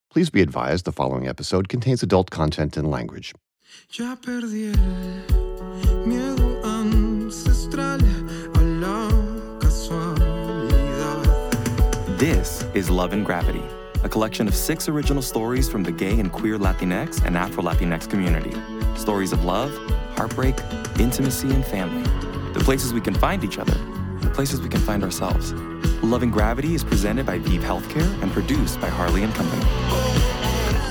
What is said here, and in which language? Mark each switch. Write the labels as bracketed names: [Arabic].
[English] Please be advised the following episode contains adult content and language. [Spanish] Ya perdí el miedo ancestral a la casualidad. [English] This is Love and Gravity, a collection of 6 original stories from the gay and queer Latinx and Afro-Latinx community. Stories of love, heartbreak, intimacy, and family. The places we can find each other, and the places we can find ourselves. Love and Gravity is presented by Veep Healthcare and produced by Harley & Company.